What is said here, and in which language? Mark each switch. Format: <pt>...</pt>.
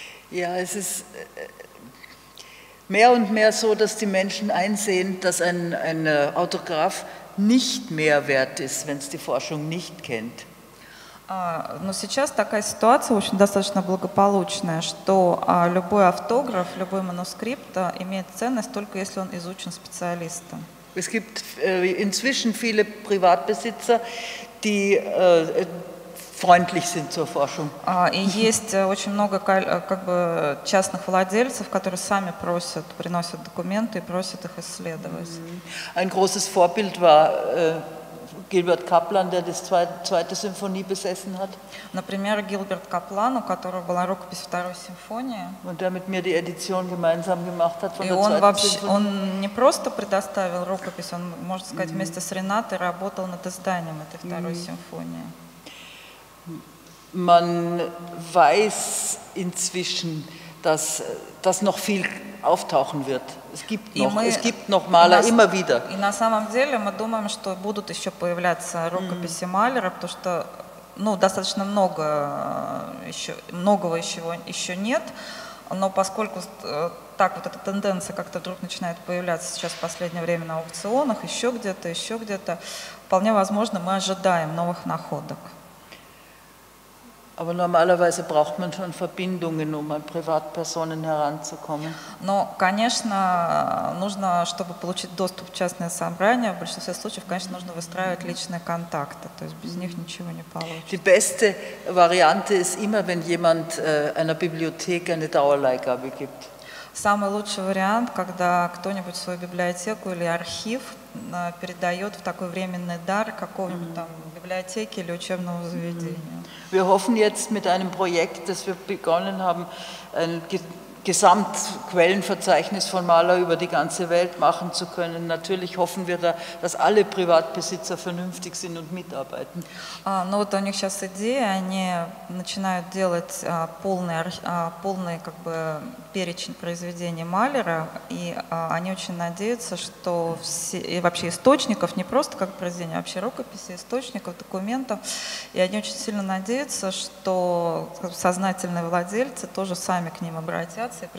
<de>Ja, es ist mehr und mehr so, dass die Menschen einsehen, dass ein Autograph nicht mehr wert ist, wenn es die Forschung nicht kennt.</de> <ru>Но сейчас такая ситуация, в общем, достаточно благополучная, что любой автограф, любой манускрипт имеет ценность только если он изучен специалистом.</ru> <de>Es gibt inzwischen viele Privatbesitzer, die freundlich sind zur Forschung.</de> <ru>И есть очень много как бы частных владельцев, которые сами просят, приносят документы и просят их исследовать.</ru> <de>Ein großes Vorbild war Gilbert Kaplan, der das zweite Symphonie besessen hat.</de> <ru>Например, Gilbert Kaplan, у которого была рукопись второй симфонии.</ru> <de>Und der mit mir die Edition gemeinsam gemacht hat von der zweiten Symphonie.</de> <ru>Он не просто предоставил рукопись, он, можно сказать, вместе с Ренатой работал над изданием этой второй симфонии.</ru> <de>Man weiß inzwischen, dass das noch viel auftauchen wird. Es gibt noch Maler immer wieder.</de> <ru>И на самом деле мы думаем, что будут еще появляться рукописи Малера, потому что, ну, достаточно много еще многого еще нет, но поскольку так вот эта тенденция как-то вдруг начинает появляться сейчас в последнее время на аукционах, еще где-то, вполне возможно, мы ожидаем новых находок.</ru> <de>Aber normalerweise braucht man schon Verbindungen, um an Privatpersonen heranzukommen.</de> <ru>Но, конечно, нужно, чтобы получить доступ в частное собрание, в большинстве случаев, конечно, нужно выстраивать личные контакты. То есть без них ничего не получится.</ru> <de>Die beste Variante ist immer, wenn jemand einer Bibliothek eine Dauerleihgabe gibt.</de> <ru>Самый лучший вариант, когда кто-нибудь свою библиотеку или архив передает в такой временный дар какому-нибудь там библиотеке или учебному заведению.</ru> <de>Wir hoffen jetzt mit einem Projekt, das wir begonnen haben, ein Gesamtquellenverzeichnis von Maler über die ganze Welt machen zu können. Natürlich hoffen wir da, dass alle Privatbesitzer vernünftig sind und mitarbeiten.</de> <ru>Ну вот у них сейчас идея, они начинают делать полный как бы перечень произведений Малера, и они очень надеются, что все, и вообще источников, не просто как произведения, вообще рукописи, источников, документов, и они очень сильно надеются, что сознательные владельцы тоже сами к ним обратятся.</ru>